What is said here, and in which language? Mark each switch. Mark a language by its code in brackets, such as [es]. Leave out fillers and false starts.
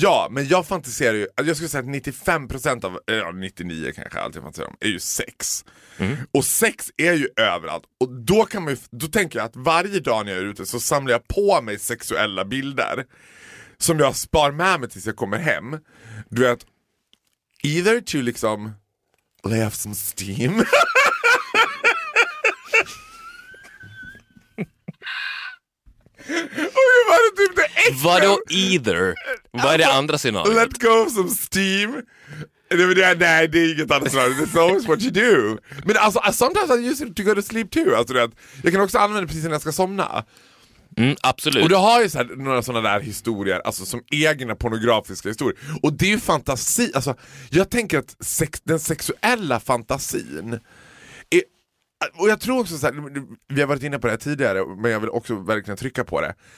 [sv] Men jag fantiserar ju, jag skulle säga att 95% av, 99 kanske alltid fantiserar om, är ju sex. Och sex är ju överallt. Och då kan man ju, då tänker jag att varje dag när jag är ute så samlar jag på mig sexuella bilder som jag spar med mig tills jag kommer hem. Du vet, [en] either to liksom lay off some steam. [sv] Oj, vad är typ det extra? Vadå either? Vad är det andra scenariot? [en] Let go of some steam. [sv] Nej, det är inget annat scenario. [en] It's always what you do. [sv] Men alltså, [en] sometimes I use it to go to sleep too. [sv] Alltså, det att jag kan också använda det precis när jag ska somna. Absolut. Och du har ju så här, några sådana där historier, alltså som egna pornografiska historier. Och det är ju fantasi, alltså jag tänker att den sexuella fantasin är, och jag tror också så här, vi har varit inne på det tidigare, men jag vill också verkligen trycka på det.